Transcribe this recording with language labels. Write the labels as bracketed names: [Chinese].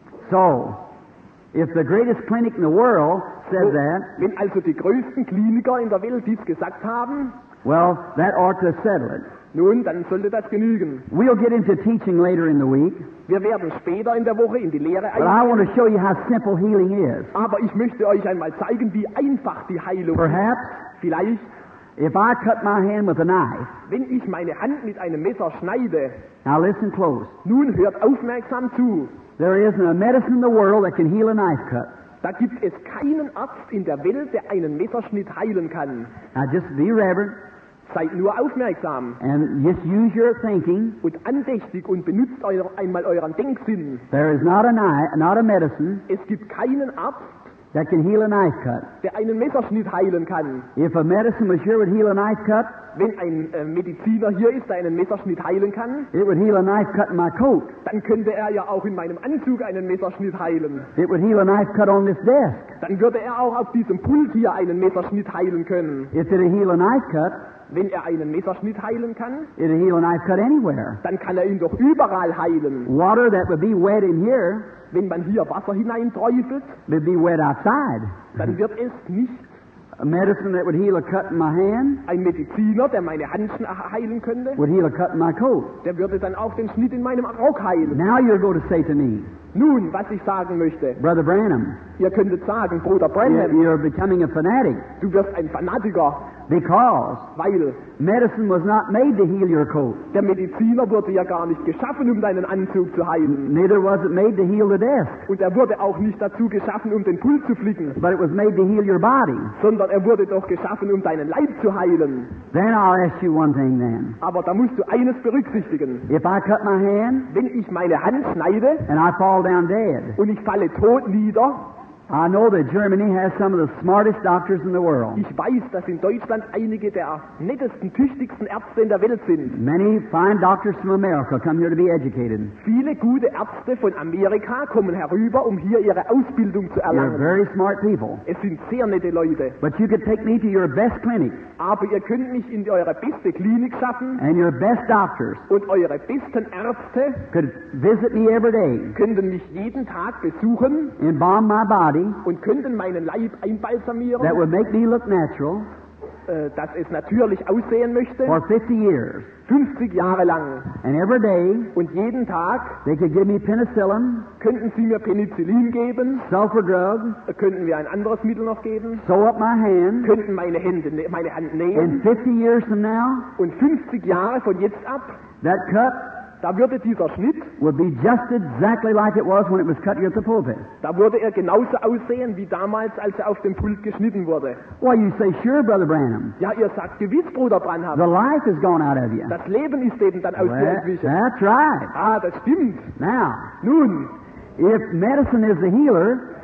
[English] So, if the greatest clinic in the world says that, [German] wenn also die größten Kliniker in der Welt dies gesagt haben, [English] well, that ought to settle it. [German] Nun, dann sollte das genügen. [English] We'll get into teaching later in the week. [German] Wir werden später in der Woche in die Lehre eingehen. [English] But I want to show you how simple healing is. [German] Aber ich möchte euch einmal zeigen, wie einfach die Heilung ist. [English] Perhaps, [German] vielleicht, [English] if I cut my hand with a knife, [German] wenn ich meine Hand mit einem Messer schneide, [English] now listen close. [German] Nun hört aufmerksam zu. [English] There isn't a medicine in the world that can heal a knife cut. [German] Da gibt es keinen Arzt in der Welt, der einen Messerschnitt heilen kann. [English] Now just be reverent. [German] Seid nur aufmerksam. [English] And just use your thinking. [German] Und andächtig und benutzt einmal euren Denksinn. [English] There is not a medicine. [German] Es gibt keinen Arzt, [English] that can heal a knife cut. [German] Der einen Messerschnitt heilen kann. [English] If a medicine was here would heal a knife cut, [German] wenn ein Mediziner hier ist, der einen Messerschnitt heilen kann, [English] it would heal a knife cut in my coat. [German] Dann könnte er ja auch in meinem Anzug einen Messerschnitt heilen. [English] It would heal a knife cut on this desk. [German] Dann würde er auch auf diesem Pult hier einen Messerschnitt heilen können. [English] If it'd heal a knife cut, [German] wenn er einen Messerschnitt heilen kann, [English] it'd heal a knife cut anywhere. [German] Dann kann er ihn doch überall heilen. [English] Water that would be wet in here, [German] wenn man hier Wasser hineinträufelt, [English] would be wet outside. [German] Dann wird es nicht. [English] A medicine that would heal a cut in my hand, [German] ein Mediziner, der meine Hand heilen könnte, [English] would heal a cut in my coat. [German] Der würde dann auch den Schnitt in meinem Rock heilen. [English] Now you're going to say to me, [German] nun, was ich sagen möchte, [English] Brother Branham, [German] ihr könntet sagen, Bruder Branham, [English] you're becoming a fanatic. [German] Du wirst ein Fanatiker. [English] Because, [German] weil [English] medicine was not made to heal your coat. [German] Der Mediziner wurde ja gar nicht geschaffen, um deinen Anzug zu heilen. [English] Neither was it made to heal the desk. [German] Und er wurde auch nicht dazu geschaffen, um den Pult zu flicken. [English] But it was made to heal your body. [German] Sondern er wurde doch geschaffen, um deinen Leib zu heilen. [English] Then I'll ask you one thing then. [German] Aber da musst du eines berücksichtigen. [English] If I cut my hand, [German] wenn ich meine Hand schneide, [English] and I fall down dead, [German] und ich falle tot nieder, [English] I know that Germany has some of the smartest doctors in the world. [German] Ich weiß, dass in Deutschland einige der nettesten, tüchtigsten Ärzte in der Welt sind. [English] Many fine doctors from America come here to be educated. [German] Viele gute Ärzte von Amerika kommen herüber, um hier ihre Ausbildung zu erlangen. [English] They're very smart people. [German] Es sind sehr nette Leute. [English] But you could take me to your best clinic. [German] Aber ihr könnt mich in eure beste Klinik schaffen. [English] And your best doctors. [German] Und eure besten Ärzte. [English] Could visit me every day. [German] Könnten mich jeden Tag besuchen. [English] Embalm my body. [German] Und könnten meinen Leib einbalsamieren, [English] that would make me look natural, [German] dass es natürlich aussehen möchte, [English] for 50 years. [German] 50 Jahre lang. [English] And every day, [German] und jeden Tag, [English] they could give me penicillin, [German] könnten sie mir Penicillin geben, [English] sulfur drug, [German] könnten wir ein anderes Mittel noch geben, [English] sew up my hand, [German] könnten meine Hand nähen, [English] and 50 years from now, [German] und 50 Jahre von jetzt ab, [English] that cut, [German] da würde dieser Schnitt, [English] would be just exactly like it was when it was cut here at the pulpit. [German] Da würde er genauso aussehen wie damals, als er auf dem Pult geschnitten wurde. [English] Why, you say, sure, Brother Branham. [German] Ja, ihr sagt gewiss, Bruder Branham. [English] The life has gone out of you. [German] Das Leben ist eben dann aus dir entwichen. [English] That's right. [German] Ah, das stimmt. [English] Now, [German] nun, [English] if medicine is the healer,